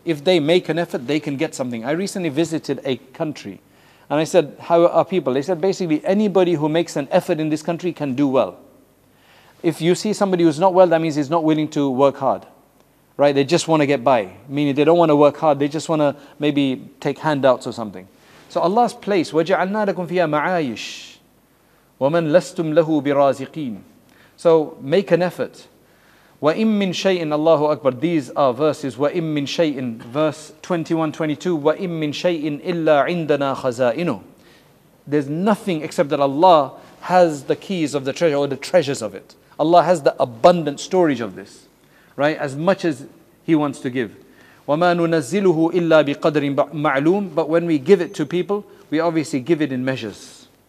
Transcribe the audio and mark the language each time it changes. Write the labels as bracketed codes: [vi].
[en] If they make an effort, they can get something. I recently visited a country and I said, how are people? They said, basically anybody who makes an effort in this country can do well. If you see somebody who's not well, that means he's not willing to work hard, right? They just want to get by, meaning they don't want to work hard. They just want to maybe take handouts or something. So Allah's place, [ar] وَجَعَلْنَا لَكُمْ فِيهَا مَعَايِشْ وَمَنْ لَسْتُمْ لَهُ بِرَازِقِينَ [en] So make an effort. [ar] وَإِمْ مِنْ شَيْءٍ Allahu Akbar. [en] These are verses. [ar] وَإِمْ مِنْ شَيْءٍ [en] Verse 21-22. [ar] وَإِمْ مِنْ شَيْءٍ إِلَّا عِنْدَنَا خَزَائِنُ [en] There's nothing except that Allah has the keys of the treasure or the treasures of it. Allah has the abundant storage of this. Right? As much as He wants to give. [ar] وَمَا نُنَزِّلُهُ إِلَّا بِقَدْرٍ مَعْلُومٍ [en] But when we give it to people, we obviously give it in measures.